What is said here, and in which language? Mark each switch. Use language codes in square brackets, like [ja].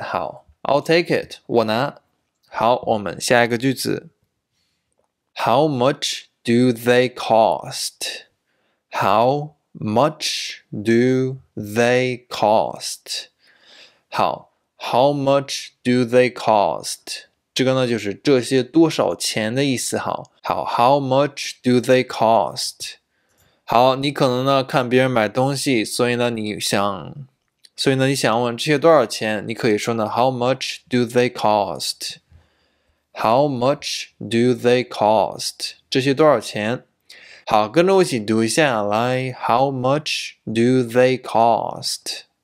[zh] 好 ， [en] I'll take it. [zh] 我拿。好，我们下一个句子。 [en] How much? Do they cost? How much do they cost? 好 ，How much do they cost? [zh] 这个呢就是这些多少钱的意思。 [en] 好，好 ，How much do they cost? [zh] 好，你可能呢看别人买东西，所以呢你想问这些多少钱，你可以说呢 [en] How much do they cost? How much do they cost? [zh] 这些多少钱？好，跟着我一起读一下，来 ， [en] How much do they cost?